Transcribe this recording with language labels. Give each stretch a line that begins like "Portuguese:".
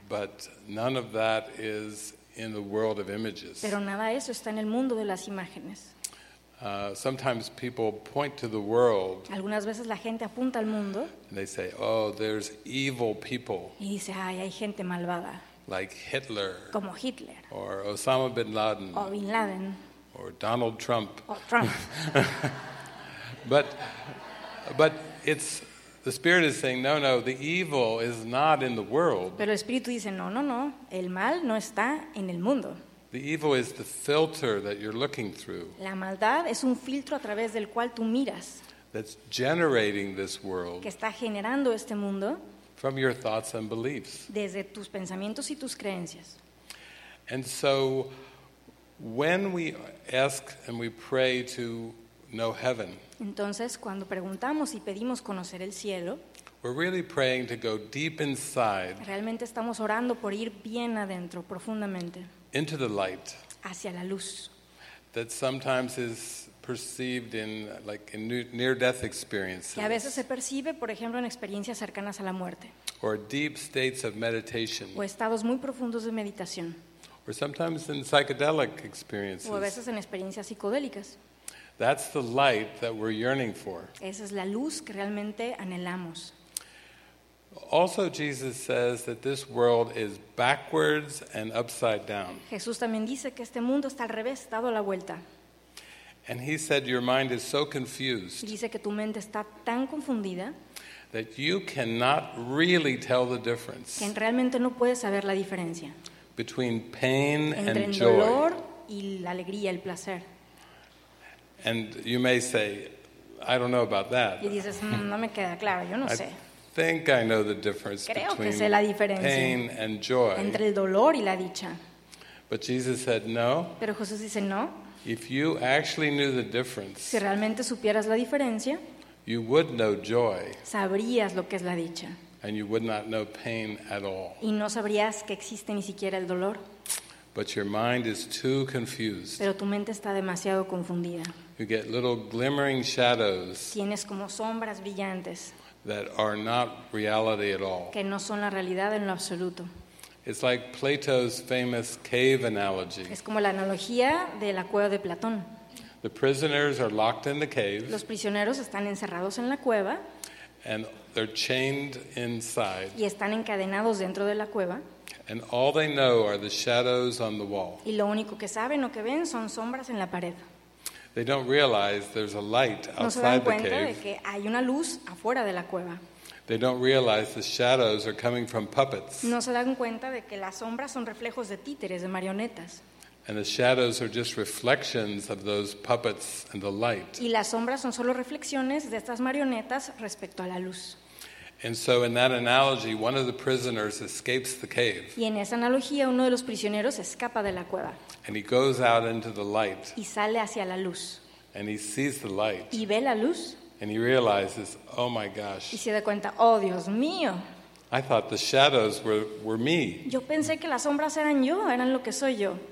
English: But none of that is in the world of images.
Spanish: Pero nada de eso está en el mundo de las imágenes.
English: Sometimes people point to the world.
Spanish: Algunas veces la gente apunta al mundo.
English: And they say, "Oh, there's evil people."
Spanish: Y dice, "Ay, hay gente malvada."
English: Like Hitler.
Spanish: Como Hitler.
English: Or Osama bin Laden.
Spanish: O Bin Laden.
English: Or Donald Trump.
Spanish: O Trump.
English: but it's the Spirit is saying, no, the evil is not in the world.
Spanish: Pero el Espíritu dice, no, el mal no está en el mundo.
English: The evil is the filter that you're looking through.
Spanish: La maldad es un filtro a través del cual tú miras.
English: That's generating this world.
Spanish: Que está generando este mundo.
English: From your thoughts and beliefs.
Spanish: Desde tus pensamientos y tus creencias.
English: And so, when we ask and we pray to know heaven.
Spanish: Entonces, cuando preguntamos y pedimos conocer el cielo,
English: we're really praying to go deep inside,
Spanish: realmente estamos orando por ir bien adentro, profundamente,
English: into the light,
Spanish: hacia la luz,
English: that sometimes is perceived in like in near-death experiences,
Spanish: que a veces se percibe, por ejemplo, en experiencias cercanas a la muerte,
English: or deep states of meditation,
Spanish: o estados muy profundos de meditación,
English: or sometimes in psychedelic experiences,
Spanish: o a veces en experiencias psicodélicas.
English: That's the light that we're yearning for.
Spanish: Esa es la luz que realmente anhelamos.
English: Also, Jesus says that this world is backwards and upside down.
Spanish: Jesús también dice que este mundo está al revés, dado la vuelta.
English: And he said your mind is so confused.
Spanish: Dice que tu mente está tan confundida
English: that you cannot really tell the difference.
Spanish: Que realmente no puedes saber la diferencia
English: between pain and joy.
Spanish: Entre el dolor y la alegría, el placer.
English: And you may say, "I don't know about that."
Spanish: Y dices, no me queda claro, yo no sé.
English: I think I know the difference
Spanish: creo
English: between
Spanish: que sé la diferencia
English: pain and joy.
Spanish: Entre el dolor y la dicha.
English: But Jesus said, "No."
Spanish: Pero Jesús dice, no.
English: If you actually knew the difference,
Spanish: si realmente supieras la diferencia,
English: you would know joy.
Spanish: Sabrías lo que es la dicha.
English: And you would not know pain at all.
Spanish: Y no sabrías que existe ni siquiera el dolor.
English: But your mind is too confused.
Spanish: Pero tu mente está demasiado confundida.
English: You get little glimmering shadows.
Spanish: Tienes como sombras brillantes.
English: That are not reality at all.
Spanish: Que no son la realidad en lo absoluto.
English: It's like Plato's famous cave analogy.
Spanish: Es como la analogía de la cueva de Platón.
English: The prisoners are locked in the cave.
Spanish: Los prisioneros están encerrados en la cueva.
English: And they're chained inside.
Spanish: Y están encadenados dentro de la cueva.
English: And all they know are the shadows on the wall.
Spanish: Y lo único que saben o que ven son sombras en la pared.
English: They don't realize there's a light outside the cave.
Spanish: No se dan cuenta de que hay una luz afuera de la cueva.
English: They don't realize the shadows are coming from puppets.
Spanish: No se dan cuenta de que las sombras son reflejos de títeres, de marionetas.
English: And the shadows are just reflections of those puppets and the light.
Spanish: Y las sombras son solo reflexiones de estas marionetas respecto a la luz.
English: And so in that analogy, one of the prisoners escapes the cave.
Spanish: Y en esa analogía, uno de los prisioneros escapa de la cueva.
English: And he goes out into the light.
Spanish: Y sale hacia la luz.
English: And he sees the light.
Spanish: Y ve la luz.
English: And he realizes, oh my gosh.
Spanish: Y se da cuenta, oh Dios mío.
English: I thought the shadows were me.
Spanish: Yo pensé que las sombras eran yo, eran lo que soy yo.